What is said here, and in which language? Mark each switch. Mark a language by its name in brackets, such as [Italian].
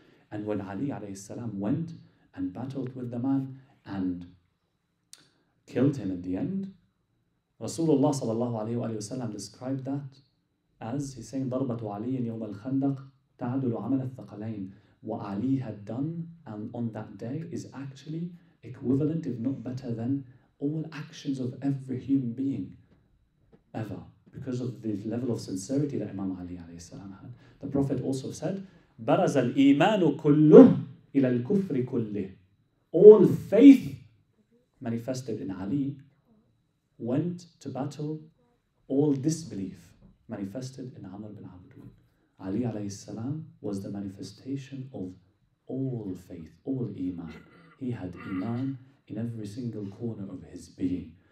[English] And when Ali alayhi salam went and battled with the man and killed him at the end, Rasulullah sallallahu alayhi wa sallam described that as, he's saying, [Arabic] ضربت علي يوم الخندق تعدل عمل الثقلين. [English] What Ali had done and on that day is actually equivalent, if not better than, all actions of every human being ever, because of the level of sincerity that Imam Ali alayhi salam had. The Prophet also said, [Arabic] برز الإيمان كله إلى الكفر كله. [English] All faith manifested in Ali went to battle all disbelief manifested in Amr bin Abdul. Ali alayhi salam was the manifestation of all faith, all iman. He had iman in every single corner of his being.